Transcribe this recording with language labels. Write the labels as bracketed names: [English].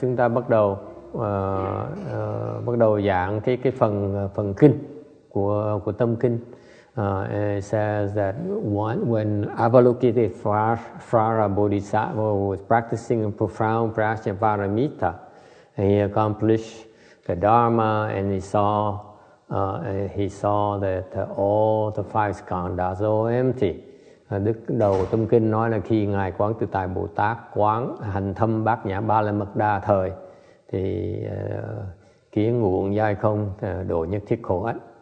[Vietnamese] Chúng ta bắt đầu giảng cái phần kinh của tâm kinh. [English] It says that one, when Avalokiteshvara Bodhisattva was practicing a profound Prajnaparamita, he accomplished the Dharma and he saw that all the five skandhas are empty. [Vietnamese] Đức đầu tâm kinh nói là khi ngài Quán Tự Tại Bồ Tát quán hành thâm Bát Nhã Ba La Mật Đa thời thì kiến nguồn giai không độ nhất thiết khổ ấy.